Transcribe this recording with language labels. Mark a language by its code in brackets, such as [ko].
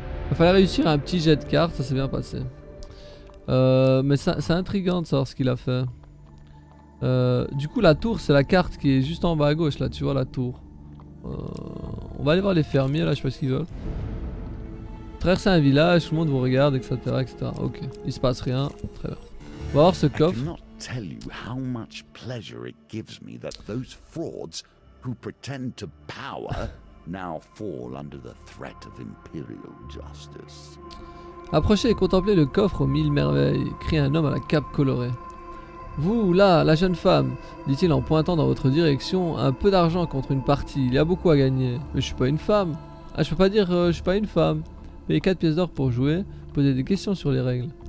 [fr] Il fallait réussir un petit jet de cartes, ça s'est bien passé. Mais c'est intriguant de savoir ce qu'il a fait. Du coup, la tour, c'est la carte qui est juste en bas à gauche, là, tu vois la tour. On va aller voir les fermiers, là, je sais pas ce qu'ils veulent. Traverser un village, tout le monde vous regarde, etc. etc. Ok, il se passe rien. Très bien. On va voir ce coffre. [en] Tell you how much pleasure it gives me that those frauds who pretend to power now fall under the threat of imperial justice. [fr] Approchez et contemplez le coffre aux mille merveilles, crie un homme à la cape colorée. Vous, là, la jeune femme, dit-il en pointant dans votre direction, un peu d'argent contre une partie, il y a beaucoup à gagner. Mais je suis pas une femme. Ah, je peux pas dire je suis pas une femme. Payez 4 pièces d'or pour jouer, posez des questions sur les règles.